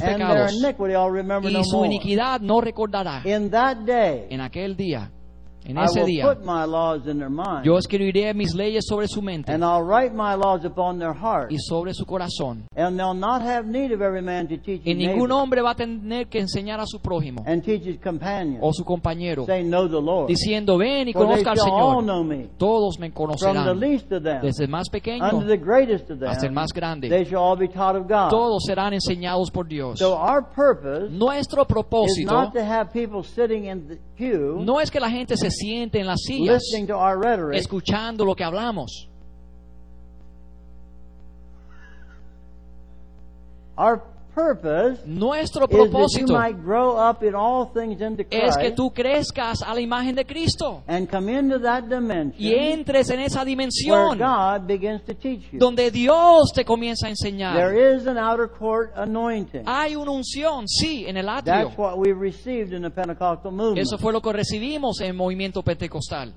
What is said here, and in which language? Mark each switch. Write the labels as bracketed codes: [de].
[en] and [es] pecados [en] their iniquity I'll remember [es] y no su [en] more. [es] Iniquidad no recordará. [en] In that day, [es] en aquel día en [en] I [es] ese [en] will [es] día [en] put my laws in their mind, [es] yo escribiré mis leyes sobre su mente [en] and I'll write my laws upon their heart, [es] y sobre su corazón [en] and they'll not have need of every man to teach [es] y ningún [en] neighbor, [es] hombre va a tener que enseñar a su prójimo [en] and teach his companion, [es] o su compañero [en] saying, know the Lord, [es] diciendo ven y conozca [en] they shall [es] al Señor [en] all know me, [es] todos me conocerán [en] from the least of them, [es] desde el más pequeño [en] unto the greatest of them, [es] hasta el más grande [en] they shall all be taught of God. [es] Todos serán enseñados por Dios. [en] So our purpose [es] nuestro propósito [en] is not to have people sitting in the queue, [es] no es que la gente se siente en las sillas escuchando lo que hablamos. [en] Our purpose [es] nuestro propósito [en] is that you might grow up in all things into Christ, [es] es que tú crezcas a la imagen de Cristo [en] and come into that dimension [es] y entres en esa dimensión [en] where God begins to teach you. [es] Donde Dios te comienza a enseñar. [en] There is an outer court anointing. [es] Hay una unción, sí, en el atrio. [en] That's what we received in the Pentecostal movement. [es] Eso fue lo que recibimos en el movimiento pentecostal.